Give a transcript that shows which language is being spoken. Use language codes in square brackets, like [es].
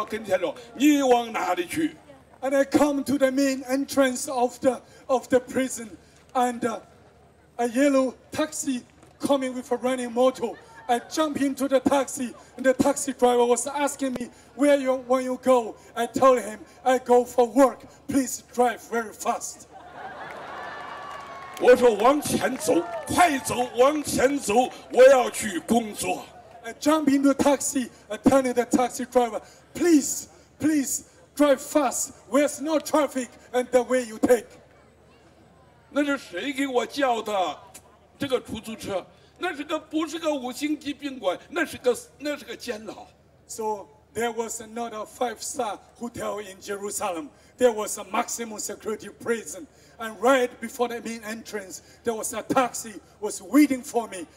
[zh] 当我刚刚踏出监狱的最后一道门的时候，突然间刚刚走出门那个监狱里头，那个大门开的时候，就有一个黄色的出租车走到跟前说：“你往哪里去？” [en] And I come to the main entrance of the prison, and a yellow taxi coming with a running motor. I jump into the taxi, and the taxi driver was asking me, where you go? I told him, I go for work. Please drive very fast. [zh] 我说往前走，快走，往前走，我要去工作。 [en] I jump into the taxi, I tell the taxi driver, please, drive fast, there's no traffic, and the way you take. [zh] 那是谁给我叫的这个出租车？那是个不是个五星级宾馆，那是个监牢。 [en] So There was not a five-star hotel in Jerusalem. There was a maximum security prison. And right before the main entrance, there was a taxi was waiting for me.